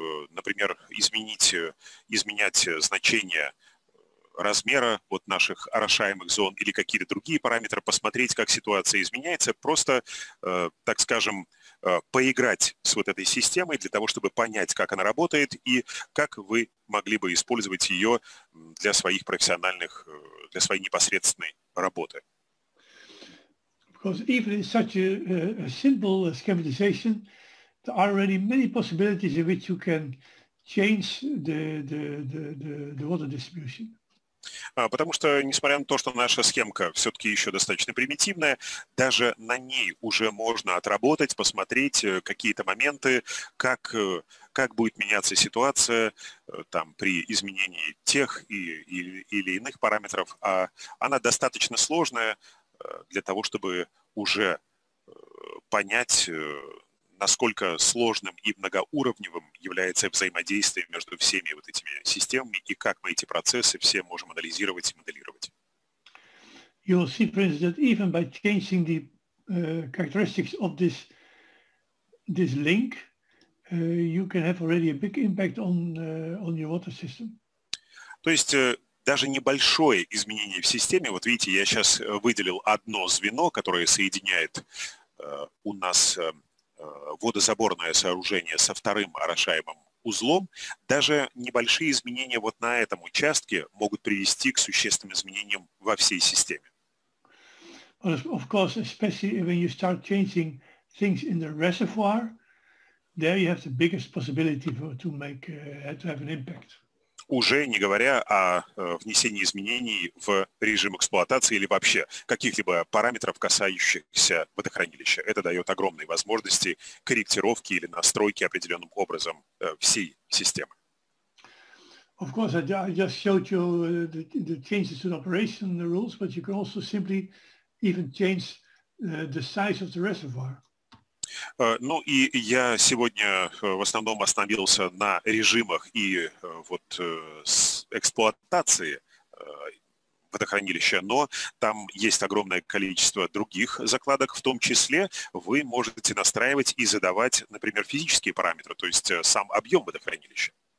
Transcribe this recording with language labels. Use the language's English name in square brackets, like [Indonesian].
[Russian] Например, изменять значение размера вот наших орошаемых зон или какие-то другие параметры, посмотреть, как ситуация изменяется. Просто, так скажем, поиграть с вот этой системой для того, чтобы понять, как она работает и как вы могли бы использовать ее для своих профессиональных, для своей непосредственной работы. [English] Because even in such a simple schematization, there are already many possibilities in which you can change the water distribution. [Russian] Потому что, несмотря на то, что наша схемка все-таки еще достаточно примитивная, даже на ней уже можно отработать, посмотреть какие-то моменты, как будет меняться ситуация там, при изменении тех или иных параметров. А она достаточно сложная для того, чтобы уже понять, насколько сложным и многоуровневым является взаимодействие между всеми вот этими системами и как мы эти процессы все можем анализировать и моделировать. [English] You'll see, for instance, that even by changing the characteristics of this link, you can have already a big impact on your water system. [Russian] То есть даже небольшое изменение в системе, вот видите, я сейчас выделил одно звено, которое соединяет у нас водозаборное сооружение со вторым орошаемым узлом, даже небольшие изменения вот на этом участке могут привести к существенным изменениям во всей системе. [English] Well, of course, especially when you start changing things in the reservoir, there you have the biggest possibility to have an impact. [Russian] Уже не говоря о внесении изменений в режим эксплуатации или вообще каких-либо параметров, касающихся водохранилища. Это дает огромные возможности корректировки или настройки определенным образом всей системы. [English] Of course, I just showed you the changes to the operation and the rules, but you can also simply even change the size of the reservoir. [Russian] Ну и я сегодня в основном остановился на режимах и вот эксплуатации водохранилища, но там есть огромное количество других закладок, в том числе вы можете настраивать и задавать, например, физические параметры, то есть сам объем водохранилища.